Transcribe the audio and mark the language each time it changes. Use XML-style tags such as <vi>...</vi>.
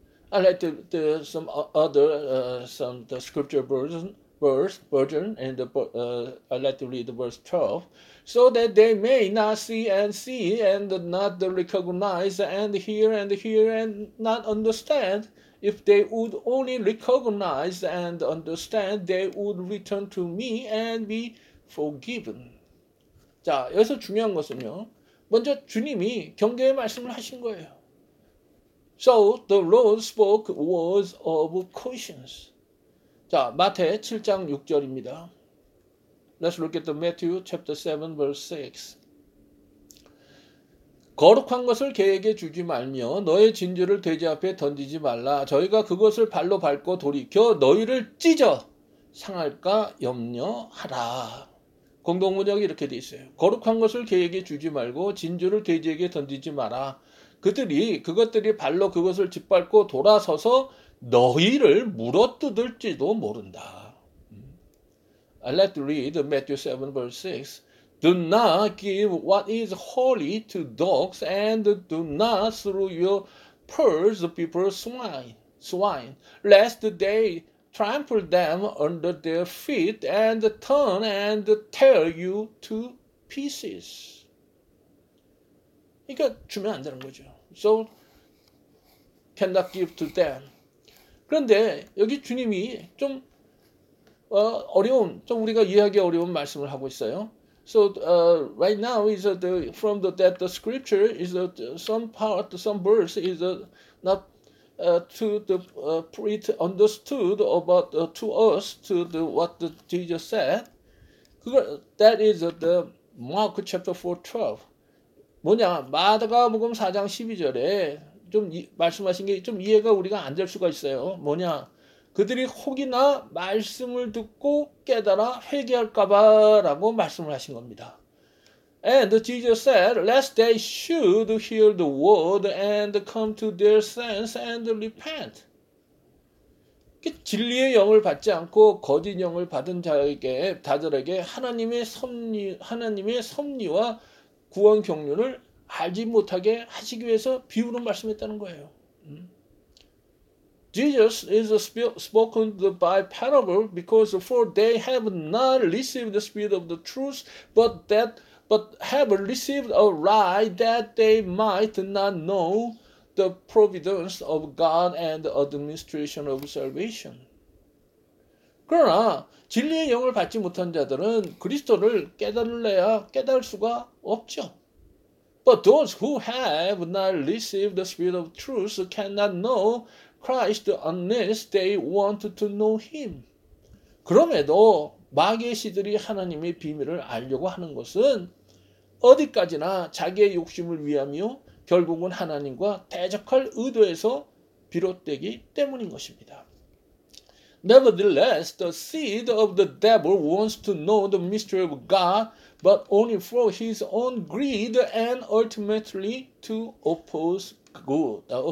<en>I like the scripture version, and I like to read verse 12. So that they may not see and not recognize and hear and not understand. If they would only recognize and understand, they would return to me and be forgiven.</en> <ko>자, 여기서 중요한 것은요. 먼저 주님이 경계의 말씀을 하신 거예요.</ko> <en>So the Lord spoke words of caution.</en> <ko>자, 마태 7장 6절입니다.</ko> <en>Let's look at the Matthew chapter 7 verse 6.</en> <ko>거룩한 것을 개에게 주지 말며 너의 진주를 돼지 앞에 던지지 말라. 저희가 그것을 발로 밟고 돌이켜 너희를 찢어 상할까 염려하라. 공동문역이 이렇게 돼 있어요. 거룩한 것을 개에게 주지 말고 진주를 돼지에게 던지지 마라. 그들이 그것들이 발로 그것을 짓밟고 돌아서서 너희를 물어뜯을지도 모른다.</ko> <en>Let's read Matthew 7 verse 6. Do not give what is holy to dogs, and do not throw your pearls before swine, lest they trample them under their feet and turn and tear you to pieces.</en> <ko>그러니까 주면 안 되는 거죠.</ko> <en>So, cannot give to them.</en> <ko>그런데 여기 주님이 좀 어려운, 좀 우리가 이해하기 어려운 말씀을 하고 있어요.</ko> <en>So right now is the from the that the scripture is the some part some verse is not to the pre understood about to us to the what the Jesus said. That is the Mark chapter 4:12.</en> <ko>뭐냐 마가복음 4장 12절에 좀 말씀하신 게 좀 이해가 우리가 안 될 수가 있어요. 뭐냐 그들이 혹이나 말씀을 듣고 깨달아 회개할까봐 라고 말씀을 하신 겁니다.</ko> <en>And Jesus said, lest they should hear the word and come to their sense and repent.</en> <ko>진리의 영을 받지 않고 거짓 영을 받은 자에게, 다들에게 하나님의 섭리와 구원 경륜을 알지 못하게 하시기 위해서 비유로 말씀했다는 거예요.</ko> <en>Jesus is spoken by parable because for they have not received the spirit of the truth, but have received a lie that they might not know the providence of God and the administration of salvation.</en> <ko>그러나 진리의 영을 받지 못한 자들은 그리스도를 깨달을래야 깨달을 수가 없죠.</ko> <en>But those who have not received the spirit of truth cannot know Christ unless they want to know him.</en> <ko>그럼에도 마귀의 시들이 하나님의 비밀을 알려고 하는 것은 어디까지나 자기의 욕심을 위하며 결국은 하나님과 대적할 의도에서 비롯되기 때문인 것입니다.</ko> <en>Nevertheless, the seed of the devil wants to know the mystery of God, but only for his own greed and ultimately to oppose God.</en>